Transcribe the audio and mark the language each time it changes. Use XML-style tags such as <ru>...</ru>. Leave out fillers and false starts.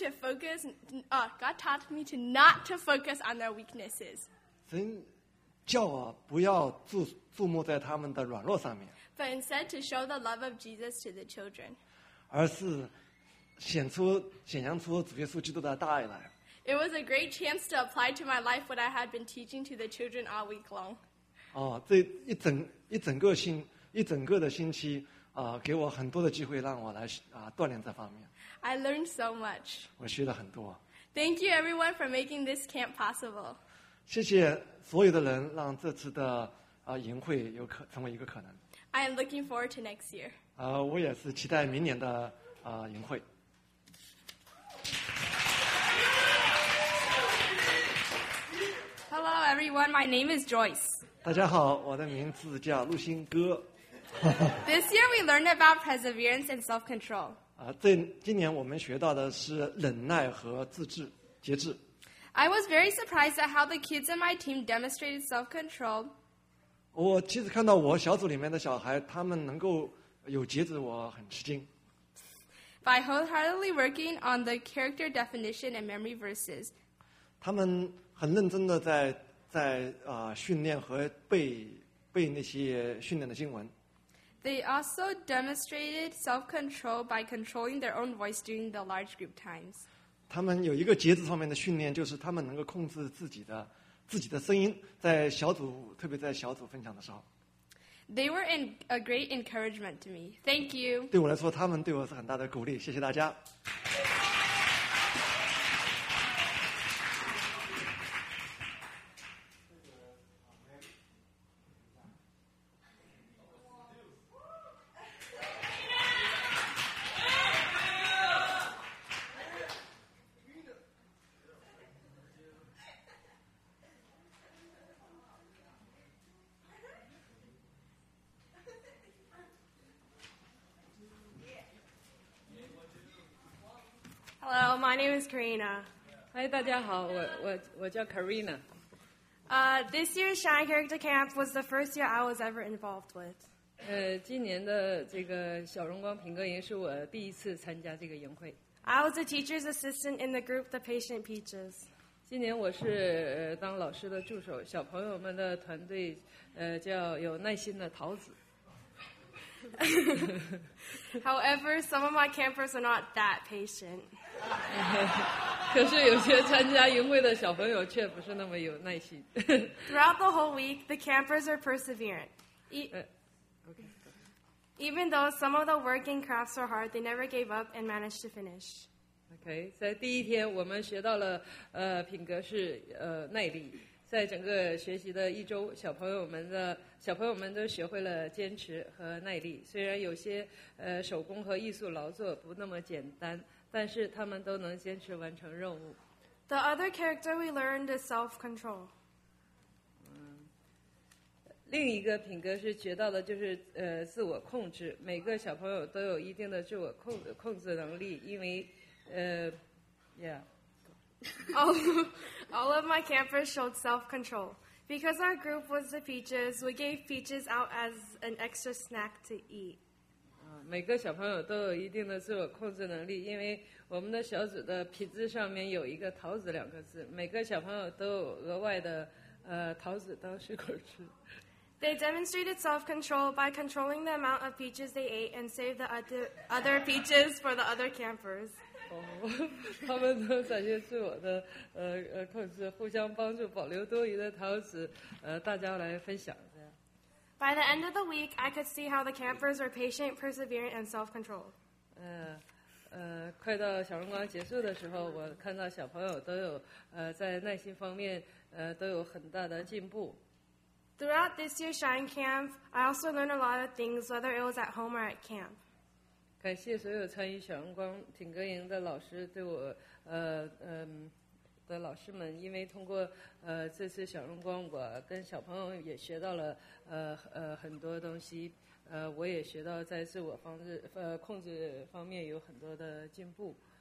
<en>God taught me to not to focus on their weaknesses.</en> <zh>神叫我不要注目在他们的软弱上面。</zh> <en>But instead to show the love of Jesus to the children.</en> <zh>而是显扬出主耶稣基督的大爱来。</zh> <en>It was a great chance to apply to my life what I had been teaching to the children all week long.</en> <zh>哦，这一整个的星期啊，给我很多的机会让我来啊锻炼这方面。</zh> <en>I learned so much.</en> <zh>我学了很多。</zh> <en>Thank you, everyone, for making this camp possible.</en> <zh>谢谢所有的人让这次的啊营会有可成为一个可能。</zh> <en>I am looking forward to next year.</en> <zh>啊，我也是期待明年的啊营会。</zh> <en>Hello, everyone. My name is Joyce.</en> <zh>大家好，我的名字叫陆星哥。</zh> <en>This year we learned about perseverance and self-control.</en> <zh>啊，今年我们学到的是忍耐和自制、节制。</zh> <en>I was very surprised at how the kids in my team demonstrated self-control.</en> <zh>我其实看到我小组里面的小孩，他们能够有节制，我很吃惊。</zh> <en>By wholeheartedly working on the character definition and memory verses.</en> <zh>他们很认真的在啊训练和背那些训练的经文。</zh> <en>They also demonstrated self-control by controlling their own voice during the large group times.</en> <zh>他们有一个节制方面的训练，就是他们能够控制自己的声音，在小组，特别在小组分享的时候。</zh> <en>They were a great encouragement to me. Thank you.</en> <zh>对我来说，他们对我是很大的鼓励。谢谢大家。</zh> <en>My name is Karina.</en> <zh>Hi, 大家好，我叫 Karina.</zh> <en>This year's Shine Character Camp was the first year I was ever involved with.</en> <zh>今年的这个小荣光品格营是我第一次参加这个营会。</zh> <en>I was a teacher's assistant in the group The Patient Peaches.</en> <zh>今年我是当老师的助手，小朋友们的团队叫有耐心的桃子。</zh> <en>However, some of my campers are not that patient.</en> <zh>可是有些参加营会的小朋友却不是那么有耐心。</zh> <en>Throughout the whole week, the campers are perseverant. Even though some of the work and crafts are hard, they never gave up and managed to finish.</en> <zh>Okay, 在第一天我们学到了品格是耐力。在整个学习的一周，小朋友们都学会了坚持和耐力。虽然有些手工和艺术劳作不那么简单，但是他们都能坚持完成任务。</zh> <en>The other character we learned is self-control.</en> <zh>另一个品格是学到的就是自我控制。每个小朋友都有一定的自我控制能力，因为</zh> <en>All of my campers showed self-control. Because our group was the peaches, we gave peaches out as an extra snack to eat.</en> <zh>每个小朋友都有一定的自我控制能力，因为我们的小组的品质上面有一个桃子两个字，每个小朋友都有额外的桃子当水果吃。</zh> <en>They demonstrated self-control by controlling the amount of peaches they ate and saved the other peaches for the other campers.</en> <zh>他们都展现自我的控制，互相帮助，保留多余的桃子，大家来分享。</zh> <en>By the end of the week, I could see how the campers were patient, perseverant, and self-controlled.</en> <zh>快到小荣光结束的时候，我看到小朋友都有在耐心方面都有很大的进步。</zh> <en>Throughout this year's Shine Camp, I also learned a lot of things, whether it was at home or at camp.</en> <zh>感谢所有参与小荣光品格营的老师对我的老师们，因为通过这次小荣光，我跟小朋友也学到了很多东西，我也学到在自我控制方面有很多的进步。</zh>